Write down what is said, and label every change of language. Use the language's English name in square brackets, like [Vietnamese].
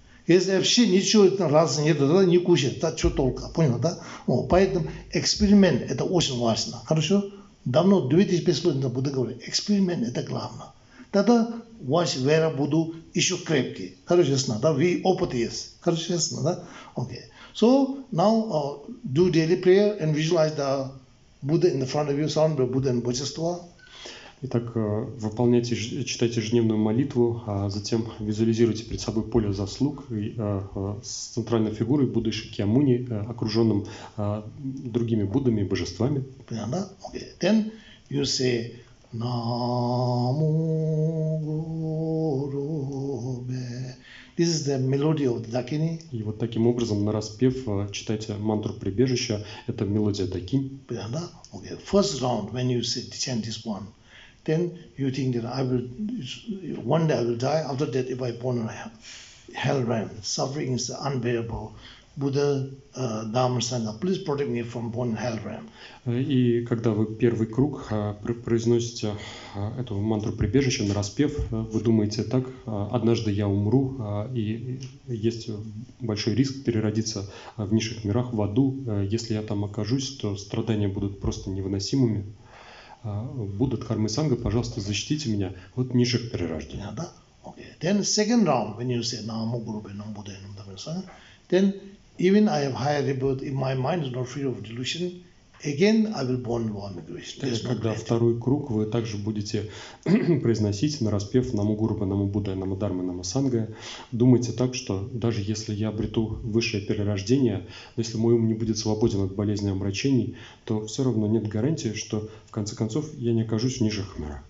[Russian] Если вообще ничего разницы нет, тогда не кушает, то что толка, понял, да? Поэтому эксперимент это очень важно, хорошо? Давно, 2500 лет буду говорить, эксперимент это главное. Тогда ваша вера будет еще крепкой, хорошо, ясно, да? Вы опыт есть, хорошо, ясно, да? Окей. [English] So, now, do daily prayer and visualize the Buddha in the front of you, surrounded by Buddha and Bodhisattva. [Russian] Итак, выполняйте, читайте ежедневную молитву, а затем визуализируйте перед собой поле заслуг с центральной фигурой Будды Шакьямуни, окруженным другими Буддами и божествами. Понятно? [English] Okay. Then you say Намо-гуру-бе. This is the melody of the Dakini. [Russian] И вот таким образом, нараспев, читайте мантру прибежища. Это мелодия Дакини. Понятно? Okay. [English] First round, when you say, chant this one, then you think that I will one day I will die. After that, if I born in hell realm, suffering is unbearable. Buddha, Dhamma Sangha, please protect me from born hell realm. [Russian] И когда вы первый круг произносите эту мантру прибежища на распев, вы думаете так: однажды я умру, и есть большой риск переродиться в низших мирах, в аду. Если я там окажусь, то страдания будут просто невыносимыми. Будут кармы Санга, пожалуйста, защитите меня от низших перерождений. [English] Yeah, [Russian] да? [English] Okay. Then second round, when you say Namo Guru Be Namo Buddha Namo Dhamma Sangha, then even I have higher rebirth, if my mind is not free of delusion, again I will born one Krishna. [Russian] Когда второй круг, вы также будете произносить на распев Намо Гуру Бе Намо Будхе Намо Дхарме Намо Сангхе. Думайте так, что даже если я обрету высшее перерождение, но если мой ум не будет свободен от болезни и омрачений, то все равно нет гарантии, что в конце концов я не окажусь в нижних мирах.